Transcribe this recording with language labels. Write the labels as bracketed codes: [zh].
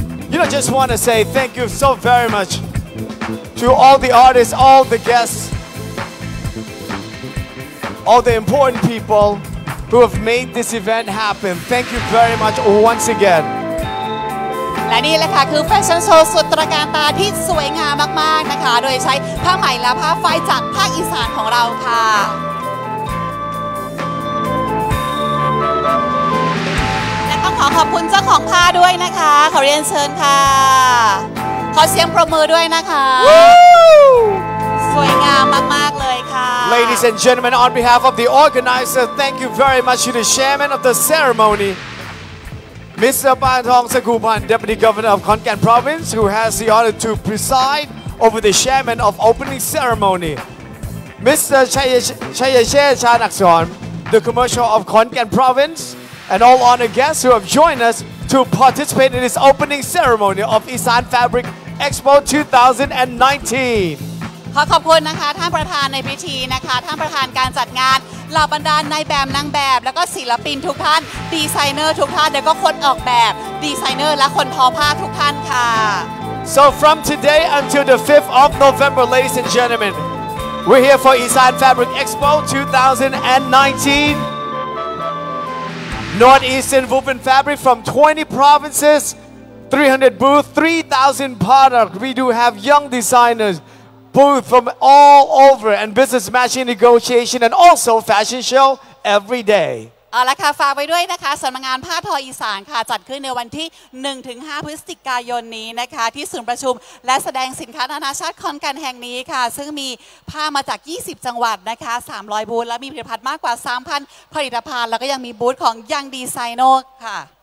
[en] You know, just want to say thank you so very much to all the artists, all the guests, all the important people who have made this event happen. Thank you very much once again. [th] และนี่แหละค่ะคือแฟชั่นโชว์สุดตระการตาที่สวยงามมากๆนะคะโดยใช้ผ้าไหมและผ้าไฟจากภาคอีสานของเราค่ะต้องข ขอขอบคุณเจ้าของผ้าด้วยนะคะขอเรียนเชิญค่ะขอเสียงปรบมือด้วยนะคะสวยงามมากๆเลยค่ะ [en] Ladies and gentlemen, on behalf of the organizer, thank you very much to the chairman of the ceremony, Mr. Banthong Sakhuman, Deputy Governor of Khon Kaen Province, who has the honor to preside over the chairman of opening ceremony, Mr. Chayachet Chanakson, the commercial of Khon Kaen Province, and all honored guests who have joined us to participate in this opening ceremony of Isan Fabric Expo 2019. [th] ขอขอบคุณนะคะท่านประธานในพิธีนะคะท่านประธานการจัดงานเหล่าบรรดาลนายแบบนางแบบแล้วก็ศิลปินทุกท่านดีไซเนอร์ทุกท่านแล้วก็คนออกแบบดีไซเนอร์และคนทอผ้าทุกท่านค่ะ [en] So from today until the 5th of November, ladies and gentlemen, we're here for Isan Fabric Expo 2019. Northeastern woven fabric from 20 provinces, 300 booths, 3,000 products. We do have young designers. Booth from all over and business matching negotiation and also fashion show every day. [th] เอาละค่ะฝากไว้ด้วยนะคะสำนักงานผ้าทออีสานค่ะจัดขึ้นในวันที่ 1-5 พฤศจิกายนนี้นะคะที่ศูนย์ประชุมและแสดงสินค้านานาชาติคอนแกนแห่งนี้ค่ะซึ่งมีผ้ามาจาก20จังหวัดนะคะ300บูธและมีผลิตภัณฑ์มากกว่า 3,000 ผลิตภัณฑ์แล้วก็ยังมีบูธของยังดีไซโนค่ะ